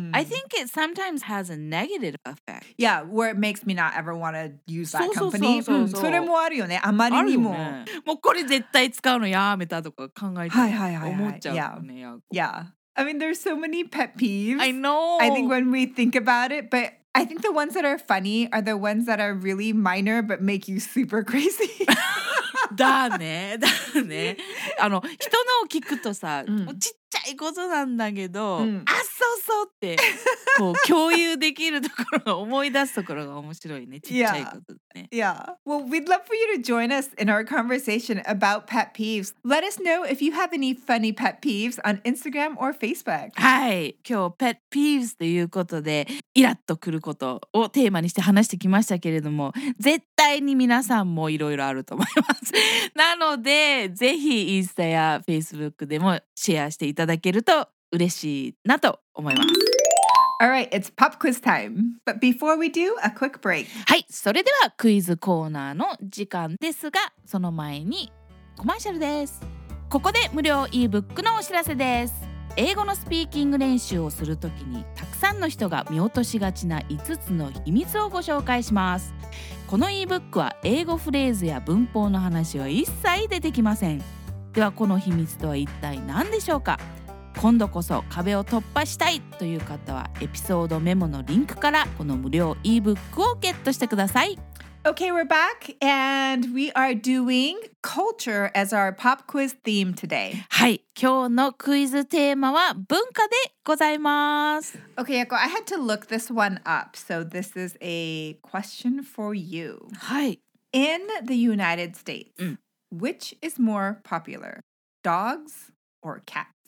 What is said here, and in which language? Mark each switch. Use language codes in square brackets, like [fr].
[en] I think it sometimes has a negative effect. Yeah, where it makes me not ever want to use that company. [ja] それもあるよね。あまりにも。もうこれ絶対使うのやめたとか考えて思っちゃうよね。 [en] Yeah. I mean, there's so many pet peeves. I know. I think when we think about it, but I think the ones that are funny are the ones that are really minor but make you super crazy. [ja] だね。だね。あの、人のを聞くとさ、ちっちゃいことなんだけど、あっそうそうってこう共有できるところ、思い出すところが面白いね、ちっちゃいことね。 [en] Yeah. Well, we'd love for you to join us in our conversation about pet peeves. Let us know if you have any funny pet peeves on Instagram or Facebook. [ja] はい、今日ペットピーブスということで、イラッとくることをテーマにして話してきましたけれども、絶対に皆さんもいろいろあると思います。なので、ぜひインスタやフェイスブックでもシェアしていただけると嬉しいなと思います。 [en] All right, it's pop quiz time. But before we do, a quick break. [ja] はい、それではクイズコーナーの時間ですが、その前にコマーシャルです。ここで無料 ebook のお知らせです。英語のスピーキング練習をするときに、たくさんの人が見落としがちな5つの秘密をご紹介します。この ebook は英語フレーズや文法の話は一切出てきません。ではこの秘密とは一体何でしょうか。今度こそ壁を突破したいという方はエピソードメモのリンクからこの無料 ebook をゲットしてください。 [en] Okay, we're back and we are doing culture as our pop quiz theme today. [ja] はい、今日のクイズテーマは文化でございます。 [en] Okay, Yako, I had to look this one up, so this is a question for you. [ja] はい。 [en] In the United States,Which is more popular, dogs or cats?